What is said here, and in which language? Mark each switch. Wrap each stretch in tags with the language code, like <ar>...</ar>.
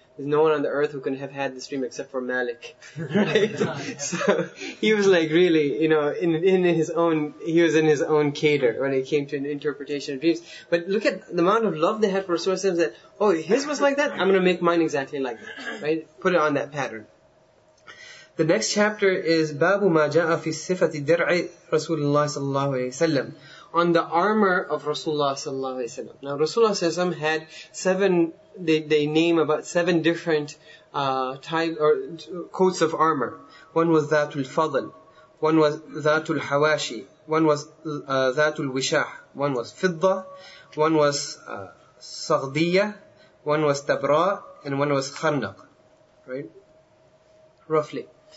<en>There's no one on the earth who can have had this dream except for Malik. Right? So, he was like, really, you know, in his own cater when it came to an interpretation of dreams. But look at the amount of love they had for Rasulullah, that, oh, his was like that? I'm gonna make mine exactly like that. Right? Put it on that pattern. The next chapter is Babu</en> <ar>ما جاء في صفة درع رسول الله صلى الله عليه وسلم,</ar> <en>on the armor of Rasulullah</en> <ar>صلى الله عليه وسلم.</ar> <en>Now Rasulullah صلى الله عليه وسلم had seven, they name about seven different type or coats of armor. One was ذات الفضل, one was ذات الحواشي, one was ذات الوشاح, one was فضة, one was صغدية, one was تبراء, and one was خرنق. Right? Roughly.</en>